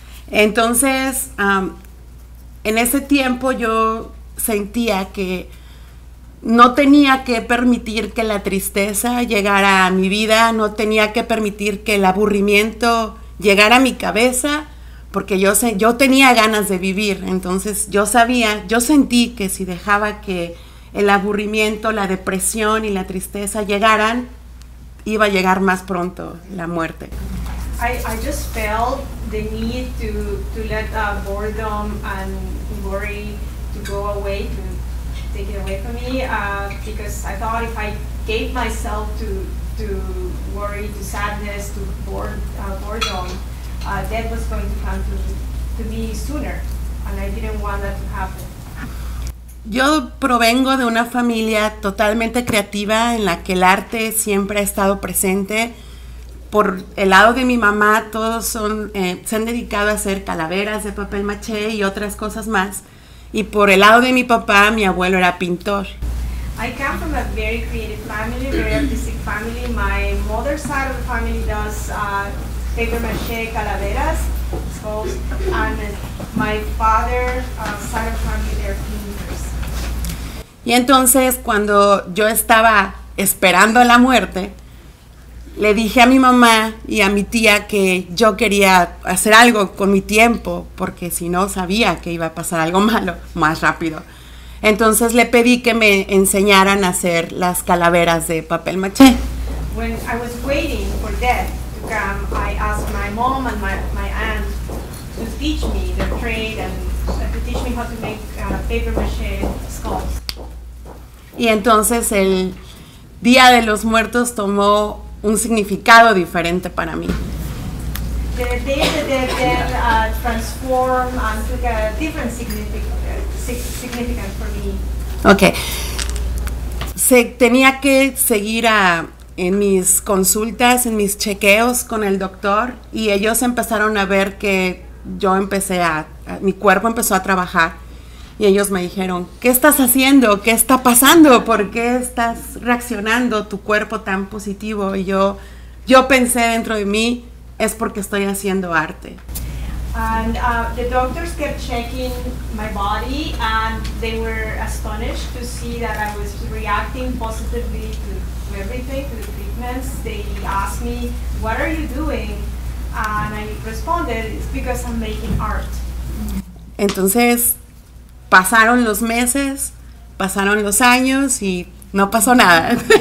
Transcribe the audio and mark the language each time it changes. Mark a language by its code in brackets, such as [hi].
[es] Entonces, en ese tiempo yo sentía que no tenía que permitir que la tristeza llegara a mi vida, no tenía que permitir que el aburrimiento llegara a mi cabeza, porque yo tenía ganas de vivir. Entonces yo sentí que si dejaba que el aburrimiento, la depresión y la tristeza llegaran, iba a llegar más pronto la muerte. [en] I just felt the need to let the boredom and worry to go away, to take it away from me, because I thought if I gave myself to worry, to sadness, to boredom, death was going to come to me sooner, and I didn't want that to happen. [es] Yo provengo de una familia totalmente creativa en la que el arte siempre ha estado presente. por el lado de mi mamá, todos son, se han dedicado a hacer calaveras de papel maché y otras cosas más. Y por el lado de mi papá, mi abuelo era pintor. [en] I come from a very creative family, very artistic family. My mother's side of the family does paper mache, calaveras, skulls, and my father's side of the family, they're painters. [es] Y entonces, cuando yo estaba esperando la muerte, le dije a mi mamá y a mi tía que yo quería hacer algo con mi tiempo, porque si no sabía que iba a pasar algo malo más rápido. Entonces le pedí que me enseñaran a hacer las calaveras de papel maché. [en] When I was waiting for death to come, I asked my mom and my aunt to teach me the trade and to teach me how to make paper maché skulls. [es] Y entonces el Día de los Muertos tomó un significado diferente para mí. [en] The day that they then transformed and took a different significance for me. Okay. [es] Se tenía que seguir en mis consultas, en mis chequeos con el doctor, y ellos empezaron a ver que yo empecé mi cuerpo empezó a trabajar, y ellos me dijeron, ¿qué estás haciendo? ¿Qué está pasando? ¿Por qué estás reaccionando tu cuerpo tan positivo? Y yo pensé dentro de mí, es porque estoy haciendo arte. [en] And the doctors kept checking my body and they were astonished to see that I was reacting positively to everything, to the treatments. They asked me, what are you doing? And I responded, it's because I'm making art. [es] Entonces, pasaron los meses, pasaron los años y no pasó nada.